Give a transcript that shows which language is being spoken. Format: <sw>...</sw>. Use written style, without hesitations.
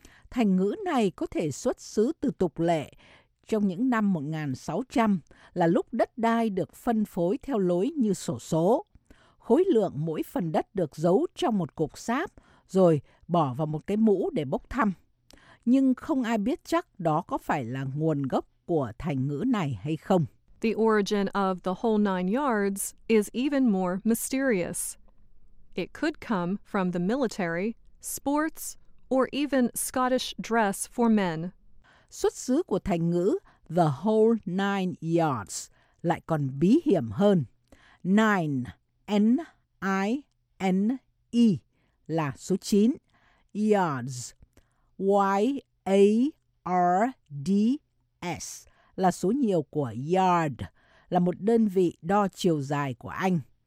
<vi>Thành ngữ này có thể xuất xứ từ tục lệ trong những năm 1600 là lúc đất đai được phân phối theo lối như xổ số. Khối lượng mỗi phần đất được giấu trong một cục sáp rồi bỏ vào một cái mũ để bốc thăm. Nhưng không ai biết chắc đó có phải là nguồn gốc của thành ngữ này hay không.</vi> <en>The origin of the whole nine yards is even more mysterious. It could come from the military, sports, or even Scottish dress for men.</en> <vi>Xuất xứ của thành ngữ</vi> <en>the whole nine yards</en> <vi>lại còn bí hiểm hơn. Nine, N-I-N-E, là số 9. Yards, Y-A-R-D-S, là số nhiều của yard, là một đơn vị đo chiều dài của Anh.</vi>